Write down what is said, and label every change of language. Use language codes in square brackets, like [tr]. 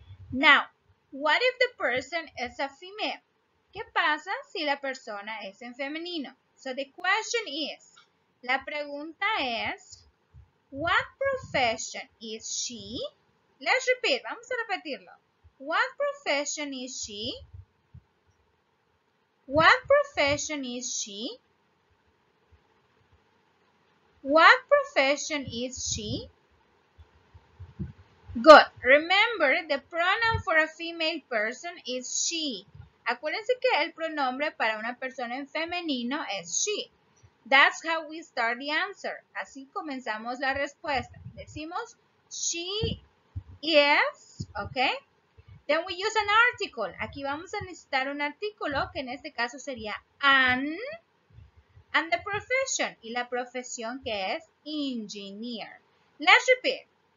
[en] Now, what if the person is a female? [es] ¿Qué pasa si la persona es en femenino? [en] So the question is, [es] la pregunta es, [en] what profession is she? Let's repeat, [es] vamos a repetirlo. [en] What profession is she? What profession is she? What profession is she? Good. Remember, the pronoun for a female person is she. [es] Acuérdense que el pronombre para una persona en femenino es she. [en] That's how we start the answer. [es] Así comenzamos la respuesta. Decimos, [en] she is, [es] ¿ok? [en] Then we use an article. [es] Aquí vamos a necesitar un artículo, que en este caso sería an, [en] and the profession, [es] y la profesión que es engineer. [en] Let's repeat.